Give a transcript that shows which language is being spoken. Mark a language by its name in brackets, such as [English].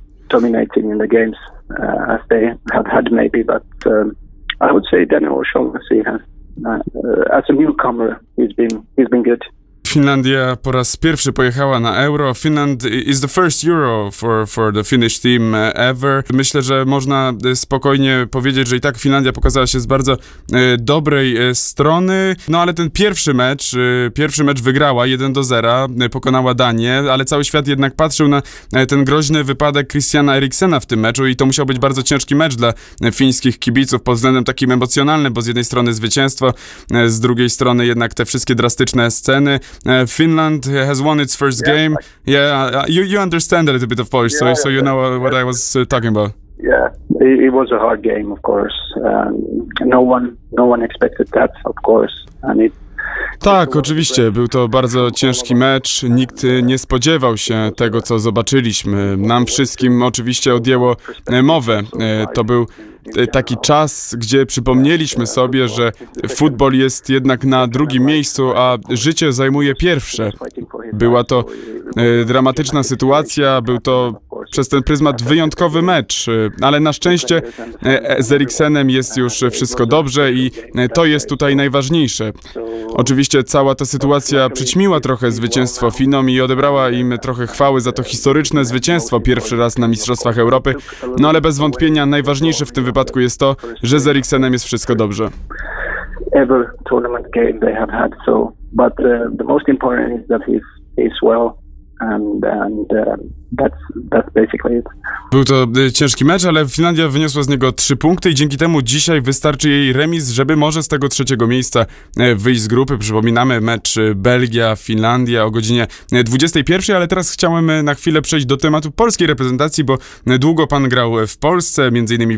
[English] Dominating in the games as they have had maybe, but I would say Daniel O'Shaughnessy as a newcomer he's been good. [Polish] Finlandia po raz pierwszy pojechała na Euro. [English] Finland is the first Euro for the Finnish team ever. [Polish] Myślę, że można spokojnie powiedzieć, że i tak Finlandia pokazała się z bardzo dobrej strony. No ale ten pierwszy mecz wygrała 1-0, pokonała Danię, ale cały świat jednak patrzył na ten groźny wypadek Christiana Eriksena w tym meczu i to musiał być bardzo ciężki mecz dla fińskich kibiców pod względem takim emocjonalnym, bo z jednej strony zwycięstwo, z drugiej strony jednak te wszystkie drastyczne sceny. [English] Finland has won its first game. Yeah, you understand a little bit of Polish, you know what I was talking about. Yeah, it was a hard game, of course. No one expected that, of course, and it. [Polish] Tak, oczywiście. Był to bardzo ciężki mecz. Nikt nie spodziewał się tego, co zobaczyliśmy. Nam wszystkim oczywiście odjęło mowę. To był taki czas, gdzie przypomnieliśmy sobie, że futbol jest jednak na drugim miejscu, a życie zajmuje pierwsze. Była to dramatyczna sytuacja. Był to przez ten pryzmat wyjątkowy mecz, ale na szczęście z Eriksenem jest już wszystko dobrze i to jest tutaj najważniejsze. Oczywiście cała ta sytuacja przyćmiła trochę zwycięstwo Finom i odebrała im trochę chwały za to historyczne zwycięstwo pierwszy raz na Mistrzostwach Europy, no ale bez wątpienia najważniejsze w tym wypadku jest to, że z Eriksenem jest wszystko dobrze. [English] Ever tournament game they have had, so but the most important is that he's well and that's basically it. [Polish] Był to ciężki mecz, ale Finlandia wyniosła z niego 3 punkty i dzięki temu dzisiaj wystarczy jej remis, żeby może z tego trzeciego miejsca wyjść z grupy. Przypominamy mecz Belgia-Finlandia o godzinie 21, ale teraz chciałem na chwilę przejść do tematu polskiej reprezentacji, bo długo pan grał w Polsce, m.in.